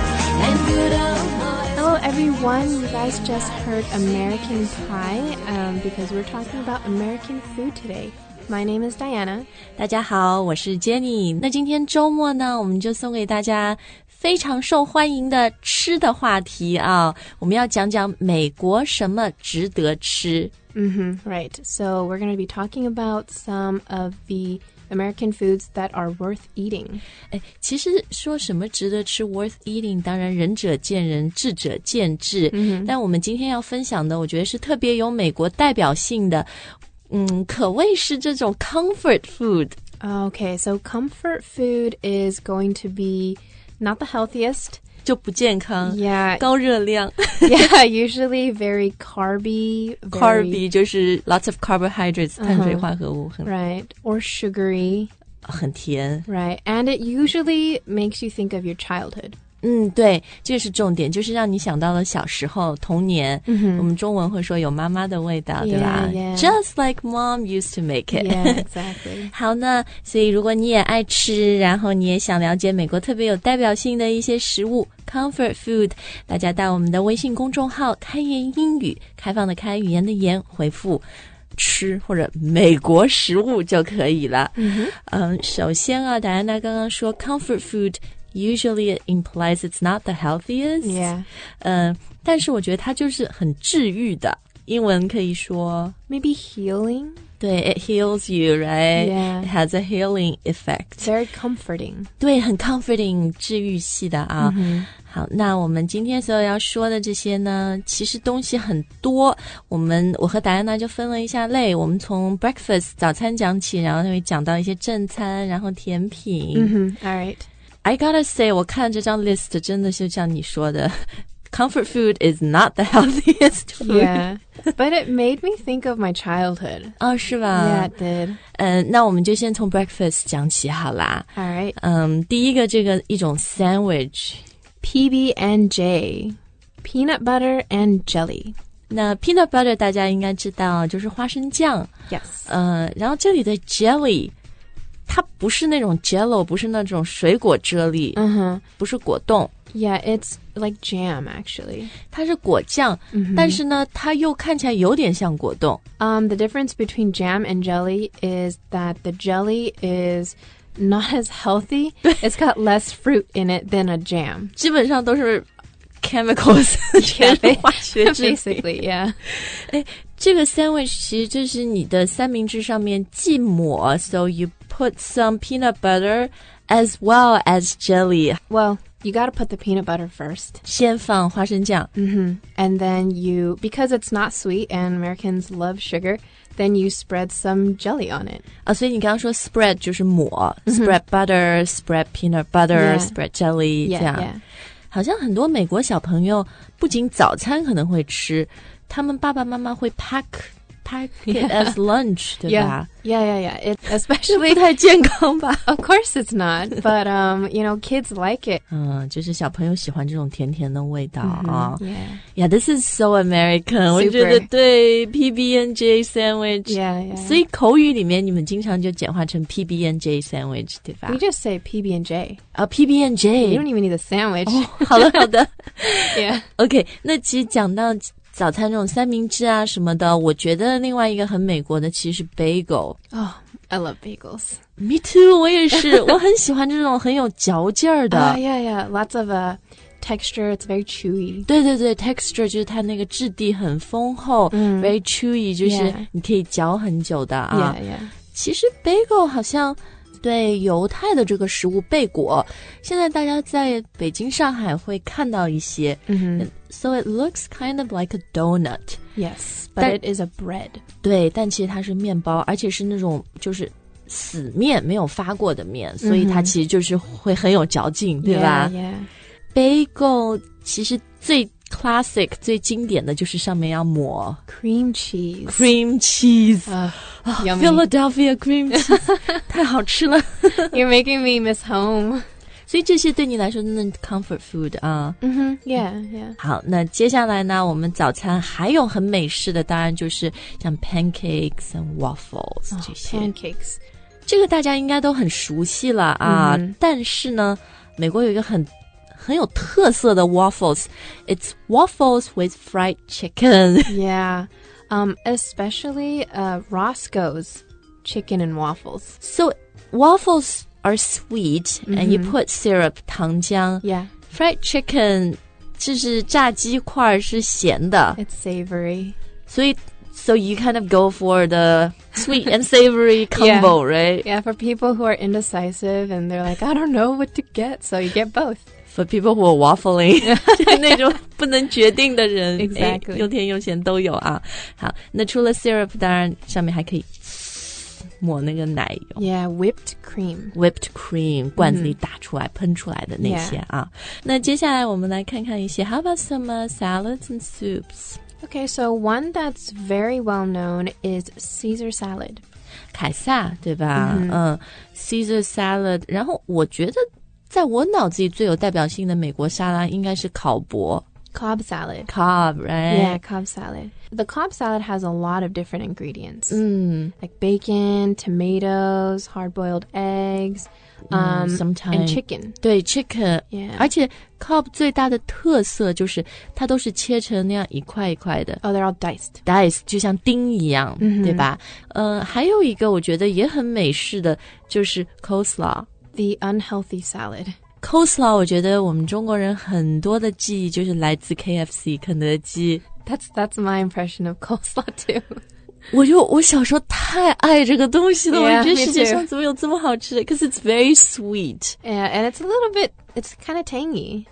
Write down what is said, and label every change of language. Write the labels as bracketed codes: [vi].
[en] Hello everyone, you guys just heard American Pie, because we're talking about American food today. My name is Diana. [zh] 大家好，我是 Jenny。那今天周末呢，我们就送给大家非常受欢迎的吃的话题啊，我们要讲讲美国什么值得吃。 [en] Mm-hmm, right, so we're going to be talking about some of the American foods that are worth eating. [zh] 其实说什么值得吃 [en] worth eating, [zh] 当然仁者见仁，智者见智。 Mm-hmm. 但我们今天要分享的我觉得是特别有美国代表性的可谓是这种 comfort food. [en] Okay, so comfort food is going to be not the healthiest. [zh] 就不健康。 [en] Yeah. [zh] 高热量。 [en] Yeah, usually very carby. Carby [zh] 就是 [en] lots of carbohydrates, 碳水化合物。 Right. Or sugary. [zh] 很甜。 [en] Right. And it usually makes you think of your childhood. [zh] 对，这是重点，就是让你想到了小时候童年、 mm-hmm. 我们中文会说有妈妈的味道 [en] yeah, [zh] 对吧、 [en] yeah. Just like mom used to make it. Yeah, exactly. [zh] 好，那所以如果你也爱吃，然后你也想了解美国特别有代表性的一些食物 Comfort food, 大家到我们的微信公众号开言英语，开放的开，语言的言，回复吃或者美国食物就可以了、 mm-hmm. 首先啊，戴安娜刚刚说 [en] Comfort foodUsually it implies it's not the healthiest. Yeah. [zh] 但是我觉得它就是很治愈的。英文可以说 [en] Maybe healing. 对 it heals you, right? Yeah. It has a healing effect. Very comforting. [zh] 对很 comforting, 治愈系的啊。 Mm-hmm. 好那我们今天所有要说的这些呢其实东西很多。我和戴安娜就分了一下类我们从 breakfast, 早餐讲起然后会讲到一些正餐然后甜品。 [en] Mm-hmm. All right. I gotta say, [zh] 我看这张 list 真的是像你说的 [en] comfort food is not the healthiest food. Yeah, but it made me think of my childhood. [zh] 哦，是吧？ [en] Yeah, it did. [zh] 那我们就先从 breakfast 讲起好啦。 [en] All right. [zh] 第一个这个一种 sandwich. [en] PB&J, peanut butter and jelly. [zh] 那 peanut butter 大家应该知道就是花生酱。 [en] Yes. [zh] 然后这里的 jelly... 它不是那种 jello, 不是那种水果啫喱、 uh-huh. 不是果冻。 [en] Yeah, it's like jam, actually. [zh] 它是果酱、 mm-hmm. 但是呢它又看起来有点像果冻。 [en] The difference between jam and jelly is that the jelly is not as healthy. It's got less fruit in it than a jam. [zh] 基本上都是 chemicals, 全是化学制品。 [en] Basically, yeah. [zh] 这个 sandwich 其实就是你的三明治上面寄抹 [en] so you put some peanut butter as well as jelly. Well, you gotta put the peanut butter first. [zh] 先放花生酱。 Mm-hmm. [en] And then you, because it's not sweet and Americans love sugar, then you spread some jelly on it. [zh] 所以你刚刚说 spread 就是抹、mm-hmm. [en] spread butter, spread peanut butter,、 yeah. spread jelly, 这样。 Yeah, yeah. [zh] 好像很多美国小朋友不仅早餐可能会吃他们爸爸妈妈会 [en] pack it、 yeah. as lunch, 对吧 yeah. yeah, yeah, yeah. It especially [zh] 不太健康吧 [en] Of course it's not, but, you know, kids like it. [zh] 就是小朋友喜欢这种甜甜的味道、 mm-hmm. 啊、 [en] yeah. yeah, this is so American.、 Super. [zh] 我觉得对 PB&J sandwich. [en] Yeah, yeah. [zh] 所以口语里面你们经常就简化成 PB&J sandwich, 对吧 [en] We just say PB&J. PB&J. You don't even need a sandwich.、 [zh] Oh, 好的好的 [en] Yeah. [zh] OK, 那其实讲到早餐这种三明治啊什么的我觉得另外一个很美国的其实是 bagel [en] Oh, I love bagels Me too, [zh] 我也是我很喜欢这种很有嚼劲儿的、 [en] yeah, yeah, lots of texture, it's very chewy [zh] 对对对 texture 就是它那个质地很丰厚、 mm. [en] very chewy [zh] 就是你可以嚼很久的啊 [en] yeah, yeah. [zh] 其实 bagel 好像对犹太的这个食物贝果现在大家在北京上海会看到一些、 mm-hmm. [en] So it looks kind of like a donut Yes, but it is a bread [zh] 对但其实它是面包而且是那种就是死面没有发过的面、 mm-hmm. 所以它其实就是会很有嚼劲对吧 [en] yeah, yeah. [zh] Bagel 其实最 classic 最经典的就是上面要抹 [en] Cream cheese [zh] Philadelphia cream cheese 太好吃了 [en] You're making me miss home [zh] 所以这些对你来说真的 comfort food 啊。嗯哼 ，yeah。好，那接下来呢，我们早餐还有很美式的，当然就是像 pancakes and waffles 这些。 [en] Pancakes， [zh] 这个大家应该都很熟悉了啊。Mm-hmm. 但是呢，美国有一个很有特色的 waffles， [en] it's waffles with fried chicken. Yeah, especially Roscoe's chicken and waffles. So waffles are sweet, mm-hmm. and you put syrup, 糖浆. Yeah, [zh] fried chicken 就是炸鸡块是咸的. [en] It's savory. So you kind of go for the sweet and savory combo, yeah. right? Yeah, for people who are indecisive and they're like, I don't know what to get, so you get both. For people who are waffling, [zh] 那种不能决定的人 [en] exactly. [zh] 哎，又甜又咸都有啊。好，那除了 syrup, 当然上面还可以抹那个奶油。 [en] Yeah, whipped cream. [zh] Whipped cream, 罐子里打出来、喷出来的那些啊。 [en] Yeah. [zh] 那接下来我们来看看一些 [en] How about some salads and soups? Okay, so one that's very well known is Caesar salad. [zh] 凯撒，对吧？Mm-hmm. Caesar salad, 然后我觉得在我脑子里最有代表性的美国沙拉应该是烤博。 [en] Cobb salad. Cobb, right? Yeah, Cobb salad. The Cobb salad has a lot of different ingredients.、 Mm. Like bacon, tomatoes, hard-boiled eggs,、 sometimes. And chicken. 对, chicken. Yeah. [zh] 而且 Cobb 最大的特色就是它都是切成那样一块一块的。 [en] Oh, they're all diced. [zh] Diced, 就像丁一样、mm-hmm. 对吧、还有一个我觉得也很美式的就是 coleslaw。 [en] The unhealthy salad. [zh] Coleslaw, 我觉得我们中国人很多的记忆就是来自 KFC, 肯德基。 [en] That's my impression of coleslaw too. [zh] 我小时候太爱这个东西了 [en] yeah, [zh] 我觉得世界上怎么有这么好吃的 [en] Because it's very sweet. Yeah, and it's a little bit, it's kind of tangy.